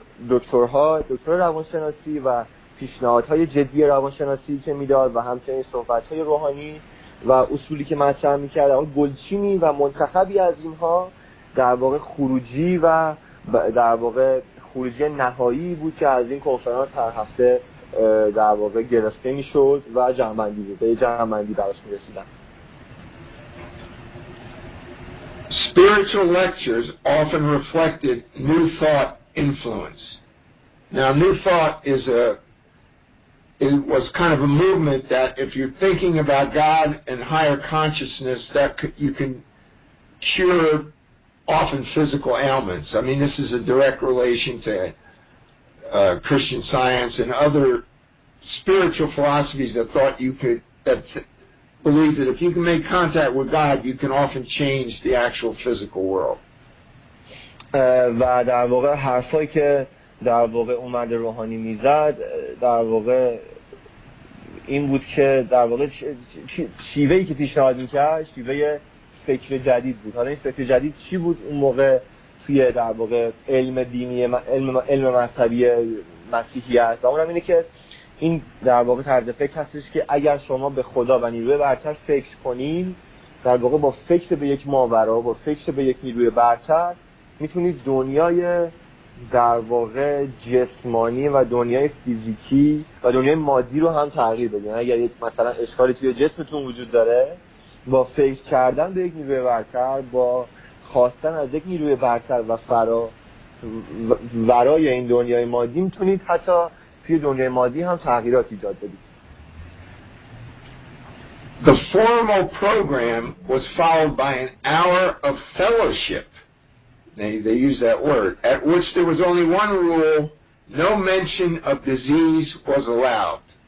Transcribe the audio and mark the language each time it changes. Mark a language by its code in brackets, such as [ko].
[fa] دکتر روانشناسی و پیشنهاد های جدی روانشناسی که میداد و همچنین صحبت های روحانی و اصولی که مطرح میکرد، اون گلچینی و منتخبی از اینها در واقع خروجی و در واقع خروجی نهایی بود که از این کنفرانس هر هفته در واقع گرفته می شد و جمع‌بندی بود، به جمع‌بندی براش می رسیدن. [en] Spiritual lectures often reflected new thought influence. Now new thought was kind of a movement that if you're thinking about God and higher consciousness that you can cure often physical ailments. I mean this is a direct relation to Christian science and other spiritual philosophies that thought you could believe that if you can make contact with God you can often change the actual physical world. [fa] و در واقع حرفایی که در واقع اومد روحانی میزد در واقع این بود که در واقع شیوهی که پیشنهاد میکرد شیوه فکر جدید بود. حالا این فکر جدید چی بود اون موقع توی در واقع علم دینی علم مذهبی مسیحیت؟ و اونم اینه که این در واقع طرز فکر هستش که اگر شما به خدا و نیروی برتر فکر کنین، در واقع با فکر به یک ماورا، با فکر به یک نیروی برتر میتونید دنیای در واقع جسمانی و دنیای فیزیکی و دنیای مادی رو هم تغییر بدین. اگر یک مثلا اشکالی توی جسمتون وجود داره، با فکر کردن به یک نیروی برتر، با خواستن از یک نیروی برتر و فرا ورای این دنیای مادی میتونید حتی توی دنیای مادی هم تغییرات ایجاد بدید. [en] The formal program was followed by an hour of fellowship. They use that word. At which there was only one rule, no mention of disease was allowed.